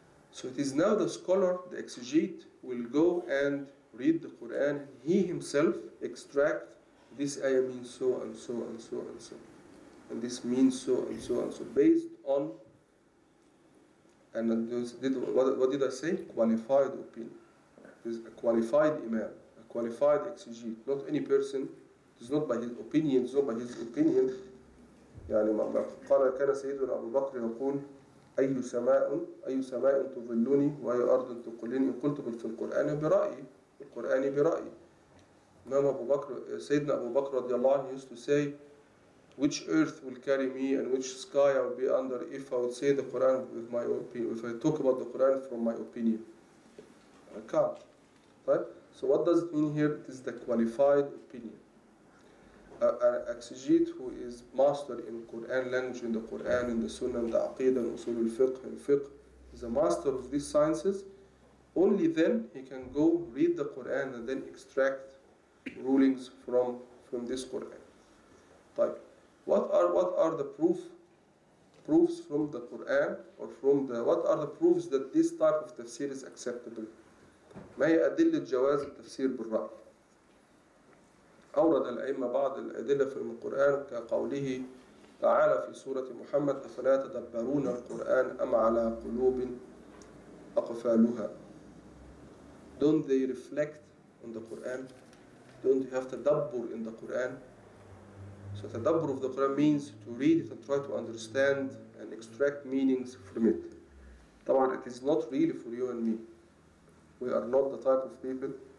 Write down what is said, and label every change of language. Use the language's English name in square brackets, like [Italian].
[English] So it is now the scholar, the exegete, will go and read the Quran, he himself extract this ayah means so and so and so and so, and this means so and so and so, based on, and what did I say? Qualified opinion. There's a qualified imam, a qualified exegete, not any person. It's not by his opinion, it's not by his opinion. [Arabic] يعني ما قال كان سيدنا أبو بكر يقول أي سماء تظلني وأي أرض تقلني قلت في القرآن برأيي. القرآني برأي. [English] إمام أبو بكر سيدنا أبو بكر [Arabic] رضي الله عنه [English] used to say which earth will carry me and which sky I will be under if I would say the Quran with my opinion, if I talk about the Quran from my opinion. I can't. Right? So what does it mean here? It is the qualified opinion. An exegete who is master in Quran language, in the Quran, in the Sunnah, in the Aqidah, in Usul al-Fiqh, in Fiqh, is a master of these sciences. Only then he can go read the Quran and then extract rulings from this Quran. Type. What are the proofs from the Quran or from the what are the proofs that this type of tafsir is acceptable? [Arabic] ما هي أدلة جواز التفسير بالرأي؟ أورد الأئمة بعض الأدلة في القرآن كقوله تعالى في سورة محمد أفلا تدبرون القرآن أم على قلوب أقفالها. [English] Don't they reflect on the Quran? Don't you have tadabbur in the Quran? So tadabbur of the Quran means to read it and try to understand and extract meanings from it. طبعاً, it is not really for you and me. We are not the type of people.